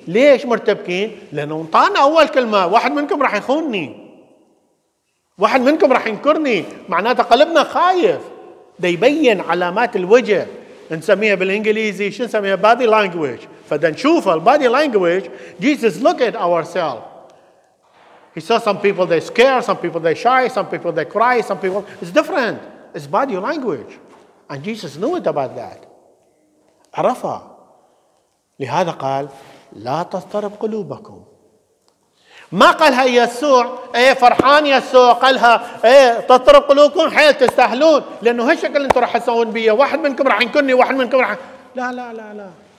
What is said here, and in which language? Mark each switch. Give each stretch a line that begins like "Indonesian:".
Arabic: ليش مرتبكين؟ لأنه أنطانا أول كلمة، واحد منكم راح يخونني، واحد منكم راح ينكرني، معناته قلبنا خايف. ده يبين علامات الوجه، نسميها بالانجليزي شو نسميها، body language. فده نشوف body language.
English: Jesus look at ourselves. He saw some people they scare, some people they shy, some people they cry, some people it's different. It's body language. And Jesus knew it about that.
Arabic: عرفها. لهذا قال لا تضطرب قلوبكم. ما قالها يسوع ايه فرحان يسوع، قالها ايه تضطرب قلوبكم حيل تستاهلون، لانه هالشكل انتم راح تسوون بي، واحد منكم راح ينكرني، واحد منكم راح، لا لا لا لا.